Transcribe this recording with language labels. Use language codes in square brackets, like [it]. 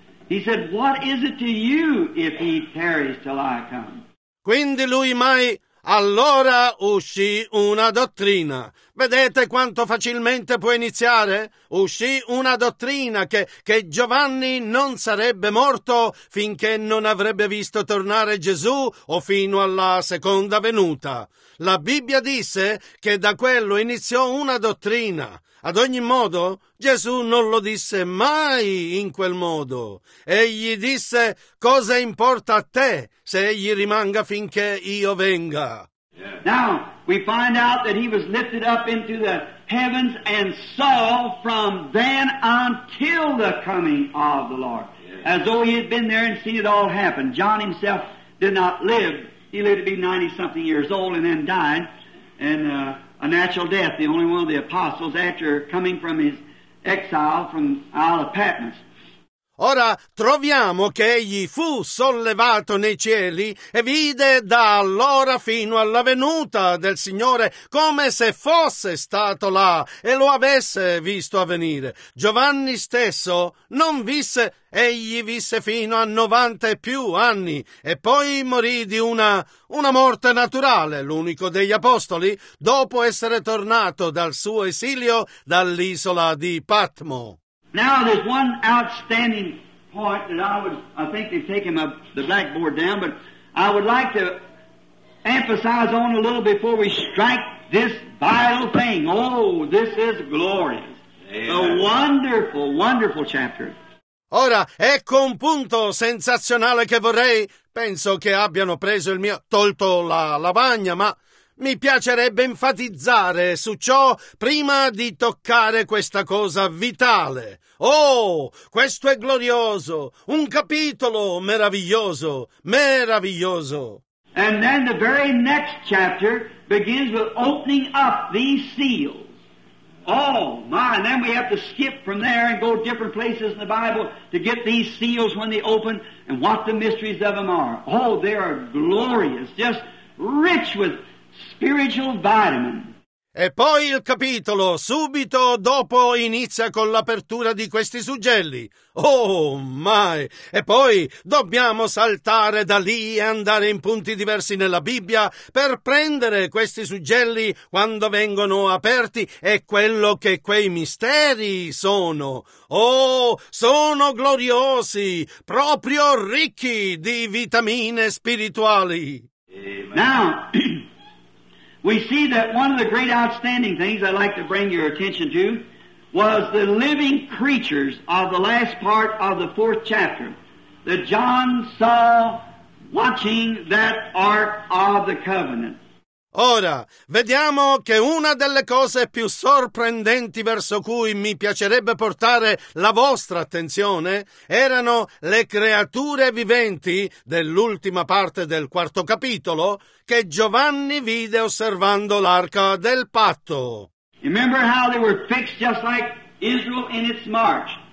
[en] He said, what is it to you if he tarries till I come? [it] Quindi lui mai. Allora uscì una dottrina. Vedete quanto facilmente può iniziare? Uscì una dottrina che Giovanni non sarebbe morto finché non avrebbe visto tornare Gesù o fino alla seconda venuta. La Bibbia disse che da quello iniziò una dottrina. Ad ogni modo, Gesù non lo disse mai in quel modo. Egli disse, cosa importa a te se egli rimanga finché io venga? [en] Now, we find out that he was lifted up into the heavens and saw from then until the coming of the Lord. As though he had been there and seen it all happen. John himself did not live. He lived to be 90-something years old and then died. And a natural death, the only one of the apostles, after coming from his exile from Isle of Patmos. [it] Ora troviamo che egli fu sollevato nei cieli e vide da allora fino alla venuta del Signore come se fosse stato là e lo avesse visto avvenire. Giovanni stesso non visse, egli visse fino a 90 e più anni e poi morì di una morte naturale, l'unico degli apostoli, dopo essere tornato dal suo esilio dall'isola di Patmo. [en] Now there's one outstanding point that I think they've taken the blackboard down, but I would like to emphasize on a little before we strike this vital thing. Oh, this is glorious. Amen. A wonderful, wonderful chapter. [it] Ora, ecco un punto sensazionale che vorrei, penso che abbiano preso il mio, tolto la lavagna, ma mi piacerebbe enfatizzare su ciò prima di toccare questa cosa vitale. Oh, questo è glorioso! Un capitolo meraviglioso! Meraviglioso! [en] And then the very next chapter begins with opening up these seals. Oh, my! And then we have to skip from there and go different places in the Bible to get these seals when they open and what the mysteries of them are. Oh, they are glorious! Just rich with spiritual vitamin. [it] E poi il capitolo, subito dopo, inizia con l'apertura di questi suggelli. Oh, mai! E poi dobbiamo saltare da lì e andare in punti diversi nella Bibbia per prendere questi suggelli quando vengono aperti e quello che quei misteri sono. Oh, sono gloriosi, proprio ricchi di vitamine spirituali. [en] Now, we see that one of the great outstanding things I'd like to bring your attention to was the living creatures of the last part of the fourth chapter that John saw watching that Ark of the Covenant. [it] Ora, vediamo che una delle cose più sorprendenti verso cui mi piacerebbe portare la vostra attenzione erano le creature viventi dell'ultima parte del quarto capitolo che Giovanni vide osservando l'arca del patto. [en] Remember how they were fixed just like Israel in its march?